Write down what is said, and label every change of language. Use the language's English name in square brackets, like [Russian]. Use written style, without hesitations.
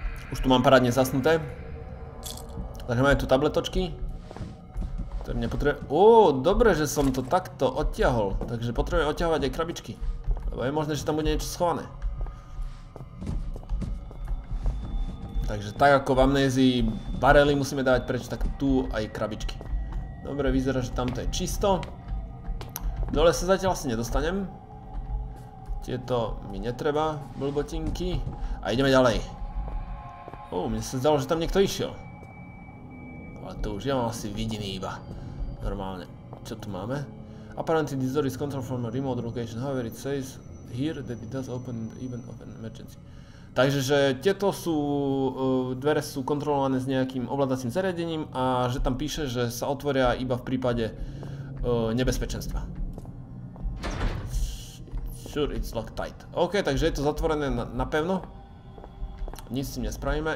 [Slovak] Už tu mám parádne zasnuté. Takže máme tu tabletočky. To mne potrebuje... dobre, že som to takto odtiahol. Takže potrebujem odtiahovať aj krabičky. Lebo je možné, že tam bude niečo schované. Takže tak ako v amnézii barely musíme dávať preč, tak tu aj krabičky. Dobre, vyzerá, že tamto je čisto. Dole sa zatiaľ asi nedostanem. Tieto mi netreba, blbotinky. A ideme ďalej. Mne sa zdalo, že tam niekto išiel. Ale to už ja mám asi vidiny iba. Normálne. Čo tu máme? [English] Apparently this door is controlled from a remote location. However, it says here that it does open in the event of an emergency. [Slovak] Takže, že tieto sú, dvere sú kontrolované s nejakým ovládacím zariadením a že tam píše, že sa otvoria iba v prípade nebezpečenstva. [English] Sure, it's locked tight. [Slovak] OK, takže je to zatvorené napevno. Nic s tým nespravíme.